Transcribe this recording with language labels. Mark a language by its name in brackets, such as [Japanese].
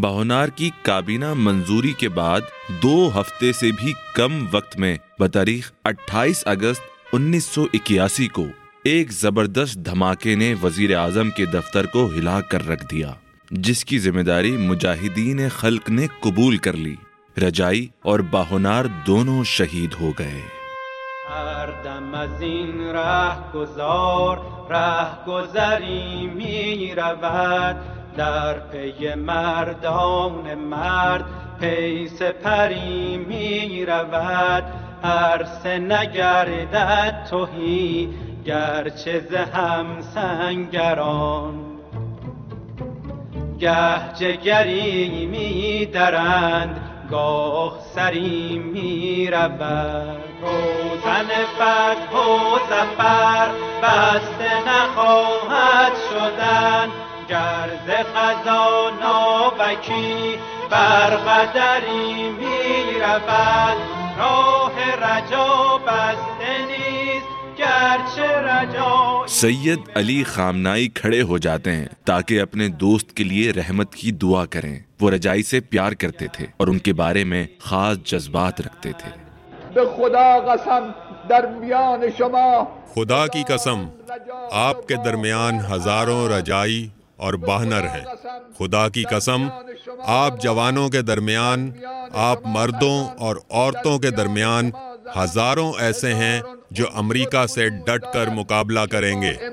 [Urdu] باہنر کی کابینہ منظوری کے بعد 2 ہفتے سے بھی کم وقت میں بتاریخ 28 اگست 1981 کو ایک زبردست دھماکے نے وزیر اعظم کے دفتر کو ہلا کر رکھ دیا، جس کی ذمہ داری مجاہدین خلق نے قبول کر لی۔ رجائی اور باہنر دونوں شہید ہو گئے۔ [Persian] ہر دم از این راہ گزار راہ گزری می رود، در پی مردان مرد پی سپری می رود، عرصه نگردد تهی گرچه ز هم سنگران، گه جگری می درند گاه سری می رود، روزن فتح و ظفر بسته نخواهد شدن، گرز خزان آبکی بر قدری می رود، راه رجا بسته نیست گرچه رجا۔ [Urdu] سید علی خامنائی کھڑے ہو جاتے ہیں تاکہ اپنے دوست کے لیے رحمت کی دعا کریں۔ وہ رجائی سے پیار کرتے تھے اور ان کے بارے میں خاص جذبات رکھتے تھے۔ [Persian] بے خدا قسم در میان شما، [Urdu] خدا کی قسم آپ کے درمیان ہزاروں رجائی اور باہنر ہیں، خدا کی قسم آپ جوانوں کے درمیان، آپ مردوں اور عورتوں کے درمیان ہزاروں ایسے ہیں جو امریکہ سے ڈٹ کر مقابلہ کریں گے۔